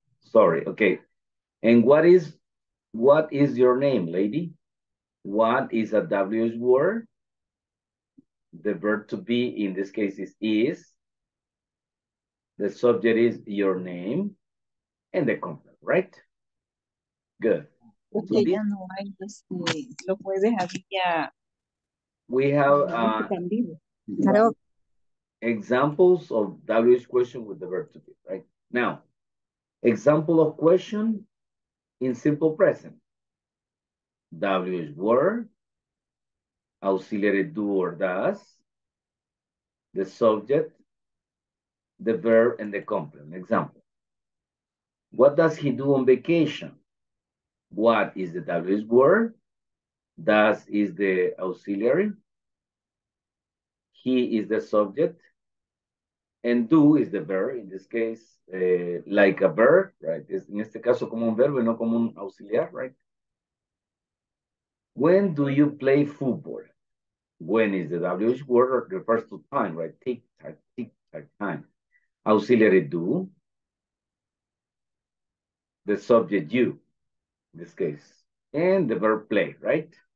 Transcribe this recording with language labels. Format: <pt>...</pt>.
<en>Sorry, okay. And what is your name, lady? What is a W's word? The verb to be in this case is. The subject is your name and the complement, right? Good.</en> <es>Okay, ya no hay, lo puedes dejar ya.</es> <en>We have examples of W's question with the verb to be, right? Now. Example of question in simple present. W is were, auxiliary do or does, the subject, the verb, and the complement. Example. What does he do on vacation? What is the W is were? Does is the auxiliary. He is the subject. And do is the verb, in this case, like a verb, right?</en> <es>Es, en este caso, como un verbo y no como un auxiliar, right?</es> <en>When do you play football? When is the WH word refers to time, right? Tic-tac, tic-tac, time. Auxiliary do. the subject you, in this case, and the verb play, right?</en>